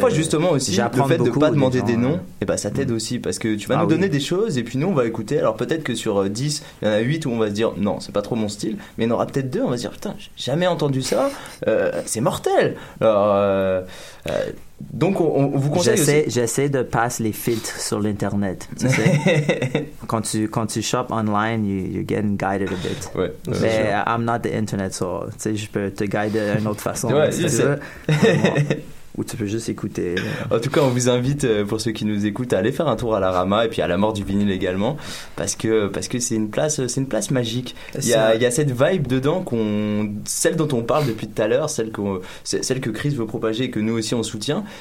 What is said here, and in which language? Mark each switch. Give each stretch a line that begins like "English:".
French: Mais parfois, justement, aussi, le fait de ne pas demander des noms, et ça t'aide aussi parce que tu vas nous donner des choses et puis nous, on va écouter. Alors, peut-être que sur 10, il y en a 8 où on va se dire non, c'est pas trop mon style, mais il y en aura peut-être 2, on va se dire putain, j'ai jamais entendu ça, c'est mortel. Alors, donc, on vous conseille. J'essaie de passer les filtres sur l'internet. Tu sais, quand tu
English: shops online, you're getting guided a bit.
French: Ouais, mais
English: I'm not the internet, so
French: je peux te guider d'une autre façon. Ouais, c'est ça. Ou tu peux juste écouter. En tout cas, on vous invite, pour ceux qui nous écoutent, à aller faire un tour à la Rama et puis à la mort du vinyle également. Parce que c'est une place magique. Il y a cette vibe dedans, celle dont on parle depuis tout à l'heure, celle que Chris veut propager et que nous aussi on soutient.